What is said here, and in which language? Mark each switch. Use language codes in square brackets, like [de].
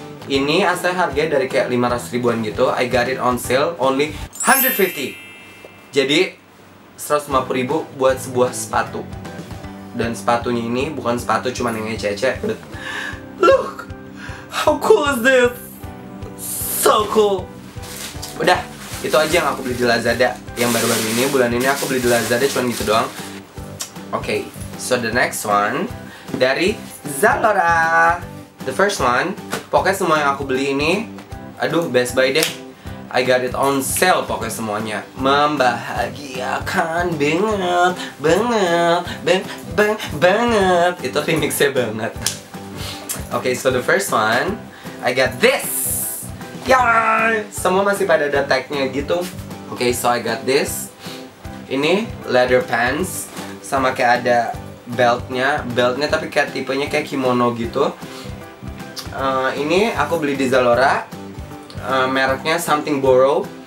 [id] Ini asalnya harganya dari kayak 500 ribuan gitu. [en] I got it on sale only 150. [id] Jadi 150.000 buat sebuah sepatu. Dan sepatunya ini bukan sepatu cuman yang ngece-ece. [en] Look, how cool is this? So cool. [id] Udah, Itu aja yang aku beli di Lazada yang baru-baru ini. Bulan ini aku beli di Lazada cuma gitu doang. [en] Oke, okay, so the next one [id] dari Zalora. [en] The first one, [id] pokoknya semua yang aku beli ini, aduh, best buy deh. [en] I got it on sale [id] pokoknya semuanya. Membahagiakan banget, banget, banget. Itu remixnya banget. [en] Oke, okay, so the first one, I got this. Yay! [id] Semua masih pada ada tag-nya gitu. [en] Oke, okay, so I got this. [id] Ini [en] leather pants. [id] Sama kayak ada belt-nya. Belt-nya tapi kayak tipenya kayak kimono gitu. Ini aku beli di Zalora. Mereknya Something Borrow.